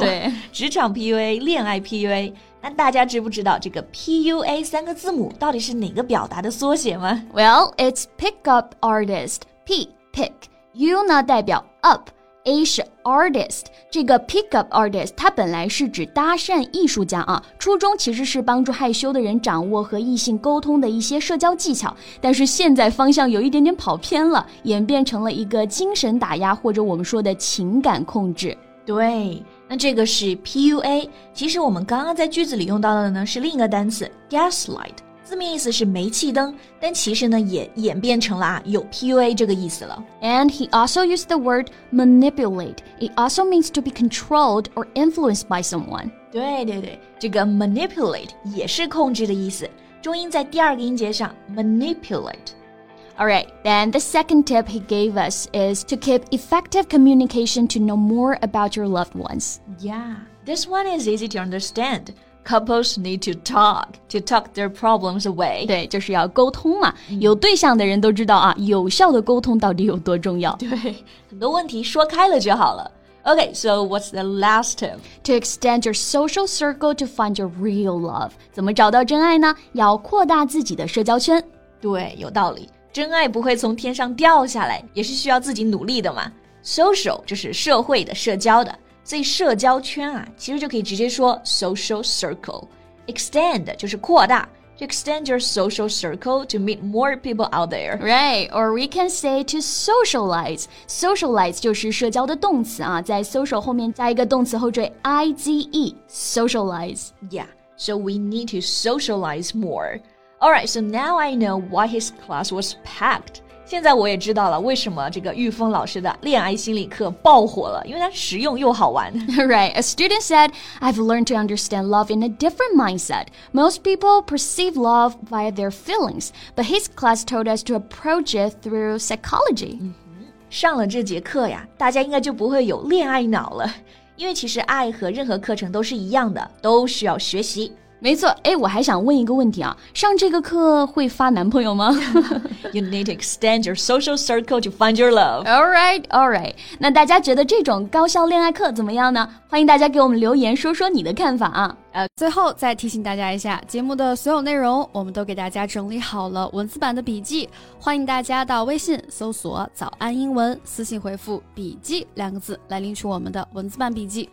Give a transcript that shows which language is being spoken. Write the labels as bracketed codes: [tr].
[zh] 对，职场 PUA, 恋爱 PUA。那大家知不知道这个 PUA 三个字母到底是哪个表达的缩写吗？ [en] Well, it's pick up artist. P, pick. U [zh] 呢代表 [en] up。 [zh] A 是 artist， 这个 pickup artist 它本来是指搭讪艺术家啊，初衷其实是帮助害羞的人掌握和异性沟通的一些社交技巧，但是现在方向有一点点跑偏了，演变成了一个精神打压或者我们说的情感控制。对，那这个是 PUA， 其实我们刚刚在句子里用到的呢是另一个单词 gaslight， 字面意思是煤气灯，但其实呢也演变成了、有 PUA 这个意思了。 [en] And he also used the word manipulate. It also means to be controlled or influenced by someone. [zh] 对对对，这个 manipulate 也是控制的意思，重音在第二个音节上 manipulate。 [en] Alright, then the second tip he gave us is to keep effective communication to know more about your loved ones. Yeah, this one is easy to understand. Couples need to talk their problems away. [zh] 对，就是要沟通嘛。有对象的人都知道啊，有效的沟通到底有多重要。对，很多问题说开了就好了。 [en] Okay, so what's the last tip? To extend your social circle to find your real love. [zh] 怎么找到真爱呢？要扩大自己的社交圈。对，有道理。真爱不会从天上掉下来，也是需要自己努力的嘛。 Social 就是社会的、社交的，所以社交圈啊，其实就可以直接说 social circle。 Extend 就是扩大 ， [en] to extend your social circle to meet more people out there. Right, or we can say to socialize. [zh] Socialize 就是社交的动词啊，在 social 后面加一个动词后缀 ize, socialize. [en] Yeah, so we need to socialize more. Alright, so now I know why his class was packed. [zh] 现在我也知道了为什么这个玉峰老师的恋爱心理课爆火了，因为它实用又好玩。 [en] Right, a student said, I've learned to understand love in a different mindset. Most people perceive love via their feelings, but his class told us to approach it through psychology. [zh] 上了这节课呀，大家应该就不会有恋爱脑了，因为其实爱和任何课程都是一样的，都需要学习。没错，哎，我还想问一个问题啊，上这个课会发男朋友吗 [en] ？You need to extend your social circle to find your love. Alright, alright. [zh] 那大家觉得这种高效恋爱课怎么样呢？欢迎大家给我们留言说说你的看法啊。最后再提醒大家一下，节目的所有内容我们都给大家整理好了文字版的笔记，欢迎大家到微信搜索早安英文，私信回复笔记两个字来领取我们的文字版笔记。